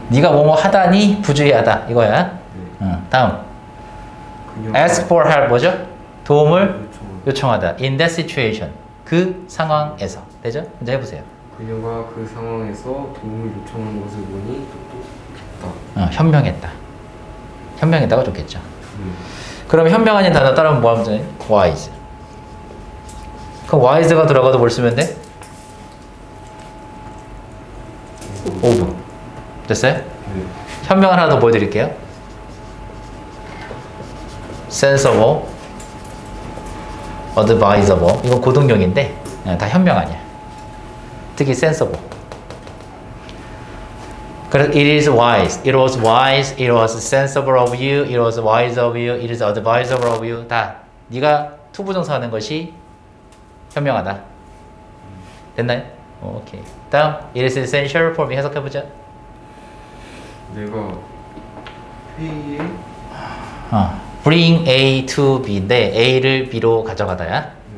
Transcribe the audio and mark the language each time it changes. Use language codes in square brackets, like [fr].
[ko] 네가 뭐뭐 하다니 부주의하다 이거야. 네. 다음 [en] ask for help [ko] 뭐죠? 도움을 요청하다. [en] In that situation [ko] 그 상황에서 되죠? 이제 해보세요. 그녀가 그 상황에서 도움을 요청하는 것을 보니 똑똑했다. 현명했다. 현명했다가 좋겠죠. 그럼 현명한 단어 따르면 뭐 하면 되나요? [en] wise. [ko] 그럼 wise가 들어가도 뭘 쓰면 돼? of. 됐어요? 네. 현명 하나 더 보여드릴게요. [en] sensible, advisable. [ko] 이건 고등용인데 다 현명 아니야. 특히 sensible. 그래서 [en] it is wise, it was wise, it was sensible of you, it was wise of you, it is advisable of you. [ko] 다 네가 투부정사하는 것이 현명하다. 됐나요? 오케이. 다음 [en] it is essential for me [ko] 해석해 보자. 내가 회의에 [en] bring A to B [ko] 인데 A를 B로 가져가다야.